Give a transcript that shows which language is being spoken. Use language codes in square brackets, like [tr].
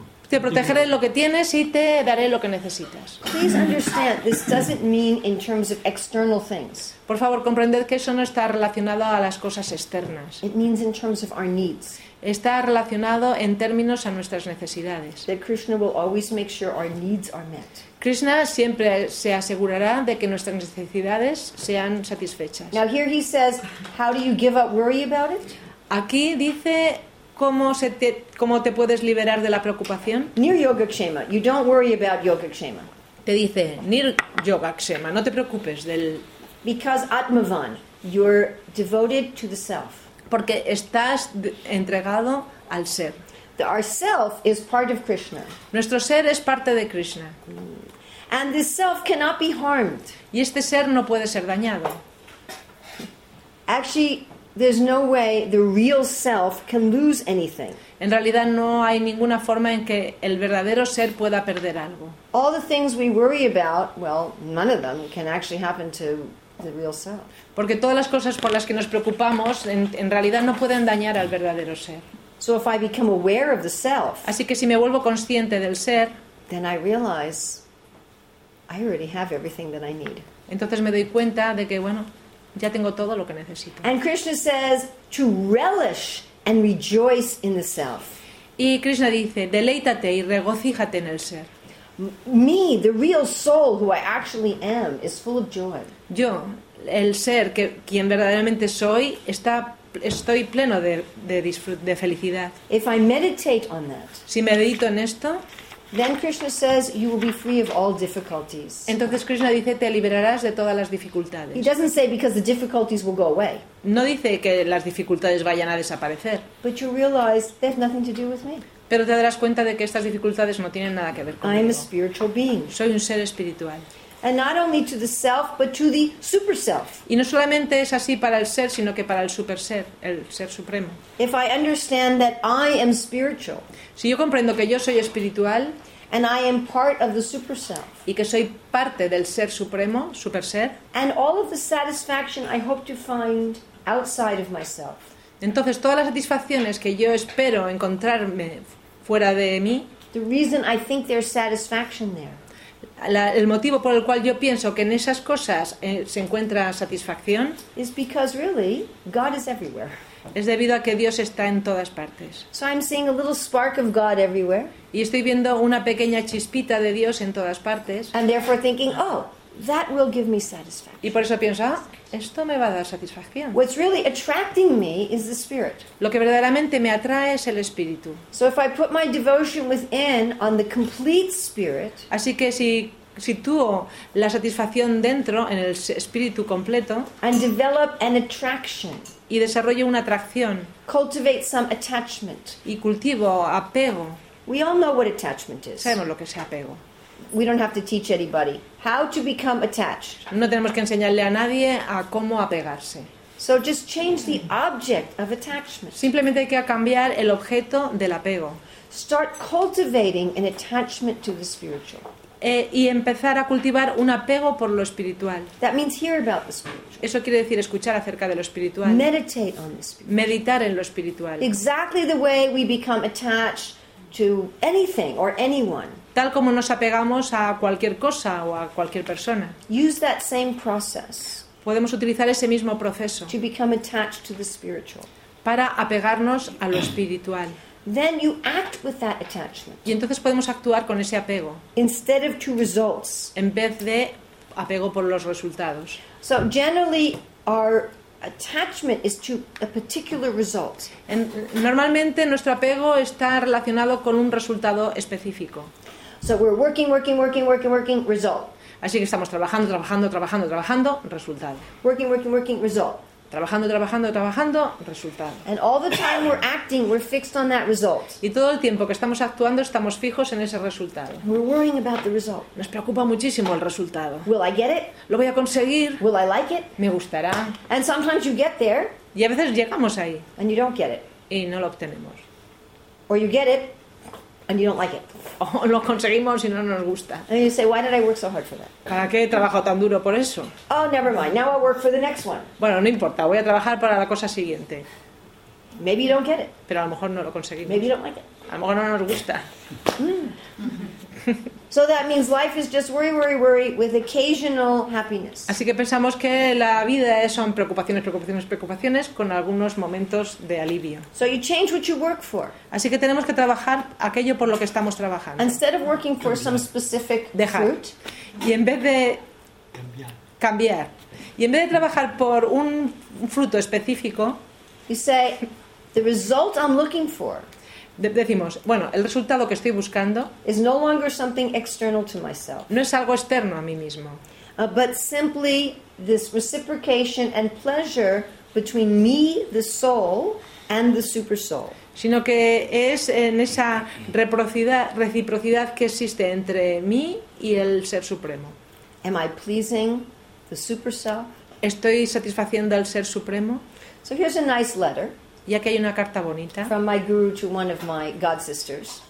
[es] Te protegeré lo que tienes y te daré lo que necesitas. [en] Please understand, this doesn't mean in terms of external things. [es] Por favor, comprended que eso no está relacionado a las cosas externas. [en] It means in terms of our needs. [es] está relacionado en términos a nuestras necesidades. [en] That Krishna will always make sure our needs are met. [es] Krishna siempre se asegurará de que nuestras necesidades sean satisfechas. [en] Now here he says, how do you give up worry about it? [es] Aquí dice cómo te puedes liberar de la preocupación. [en] Near yoga kshema, you don't worry about yoga kshema. [es] Te dice nir yoga kshema, no te preocupes del. [en] Because atmavan, you're devoted to the self. [es] Porque estás entregado al ser. [en] Our self is part of Krishna. [es] Nuestro ser es parte de Krishna. [en] And this self cannot be harmed. [es] Y este ser no puede ser dañado. [en] Actually, there's no way the real self can lose anything. [es] En realidad no hay ninguna forma en que el verdadero ser pueda perder algo. [en] All the things we worry about, well, none of them can actually happen to the real self. [es] Porque todas las cosas por las que nos preocupamos en realidad no pueden dañar al verdadero ser. [en] So if I become aware of the self, [es] así que si me vuelvo consciente del ser, [en] then I realize I already have everything that I need. [es] Entonces me doy cuenta de que bueno, ya tengo todo lo que necesito. [en] And Krishna says to relish and rejoice in the self. [es] Y Krishna dice, deleítate y regocíjate en el ser. [en] Me, the real soul who I actually am, is full of joy. [es] Yo, el ser que quien verdaderamente soy, estoy pleno de felicidad. [en] If I meditate on that, [es] si medito en esto, [en] then Krishna says you will be free of all difficulties. [es] Entonces Krishna dice te liberarás de todas las dificultades. [en] He doesn't say because the difficulties will go away. [es] No dice que las dificultades vayan a desaparecer. [en] But you realize they have nothing to do with me. [es] Pero te darás cuenta de que estas dificultades no tienen nada que ver conmigo. [en] I am a spiritual being. [es] Soy un ser espiritual. [en] And not only to the self, but to the super self. [es] Y no solamente es así para el ser, sino que para el super ser, el ser supremo. [en] If I understand that I am spiritual, [es] si yo comprendo que yo soy espiritual, [en] and I am part of the super self, [es] y que soy parte del ser supremo, super ser, [en] and all of the satisfaction I hope to find outside of myself, [es] entonces todas las satisfacciones que yo espero encontrarme fuera de mí, [en] the reason I think there's satisfaction there, [es] el motivo por el cual yo pienso que en esas cosas se encuentra satisfacción [en] is because really God is everywhere. [es] Es debido a que Dios está en todas partes. [en] So I'm seeing a little spark of God everywhere. [es] Y estoy viendo una pequeña chispita de Dios en todas partes. [en] And therefore thinking, oh, that will give me satisfaction. [es] Y por eso pienso, ah, esto me va a dar satisfacción. [en] What's really attracting me is the spirit. [es] Lo que verdaderamente me atrae es el espíritu. [en] So if I put my devotion within on the complete spirit, [es] así que si sitúo la satisfacción dentro en el espíritu completo, [en] and develop an attraction, [es] y desarrollo una atracción, [en] cultivate some attachment, [es] y cultivo apego. [en] We all know what attachment is. [es] Sabemos lo que es apego. [en] We don't have to teach anybody how to become attached. [es] No tenemos que enseñarle a nadie a cómo apegarse. [en] So just change the object of attachment. [es] Simplemente hay que cambiar el objeto del apego. [en] Start cultivating an attachment to the spiritual. [es] Y empezar a cultivar un apego por lo espiritual. [en] That means hear about the spiritual. [es] Eso quiere decir escuchar acerca de lo espiritual. [en] Meditate on the spiritual. [es] Meditar en lo espiritual. [en] Exactly the way we become attached to anything or anyone. [es] Tal como nos apegamos a cualquier cosa o a cualquier persona. [en] Use that same process. [es] Podemos utilizar ese mismo proceso. [en] To become attached to the spiritual. [es] Para apegarnos a lo espiritual. [en] Then you act with that attachment. [es] Y entonces podemos actuar con ese apego. [en] Instead of to results. [es] En vez de apego por los resultados. [en] So generally our attachment is to a particular result. [es] Normalmente nuestro apego está relacionado con un resultado específico. [en] So we're working, result. [es] Así que estamos trabajando, resultado. [en] Working, result. [es] Trabajando, resultado. [en] And all the time we're acting, we're fixed on that result. [es] Y todo el tiempo que estamos actuando, estamos fijos en ese resultado. [en] We're worrying about the result. [es] Nos preocupa muchísimo el resultado. [en] Will I get it? [es] ¿Lo voy a conseguir? [en] Will I like it? [es] ¿Me gustará? [en] And sometimes you get there. [es] Y a veces llegamos ahí. [en] And you don't get it. [es] Y no lo obtenemos. [en] Or you get it and you don't like it. [es] O lo conseguimos y no nos gusta. [en] And you say, why did I work so hard for that? [es] ¿Para qué he trabajado tan duro por eso? [en] Oh, never mind. Now I'll work for the next one. [es] Bueno, no importa. Voy a trabajar para la cosa siguiente. [en] Maybe you don't get it. [es] Pero a lo mejor no lo conseguimos. [en] Maybe you don't like it. [es] A lo mejor no nos gusta. [en] So that means life is just worry, worry, worry with occasional happiness. [es] Así que pensamos que la vida son preocupaciones, preocupaciones, preocupaciones con algunos momentos de alivio. [en] So you change what you work for. [es] Así que tenemos que trabajar aquello por lo que estamos trabajando. [en] Instead of working for some specific fruit. [es] Y en vez de cambiar. Y en vez de trabajar por un fruto específico, [en] you say the result I'm looking for. [es] Decimos, bueno, el resultado que estoy buscando [en] is no longer something external to myself. [es] No es algo externo a mí mismo. [en] But simply this reciprocation and pleasure between me, the soul, and the super soul. [es] Sino que es en esa reciprocidad que existe entre mí y el ser supremo. [en] Am I pleasing the super self? [es] ¿Estoy satisfaciendo al ser supremo? [en] So here's a nice letter. [es] Ya que hay una carta bonita. [en] From my guru to one of my god sisters.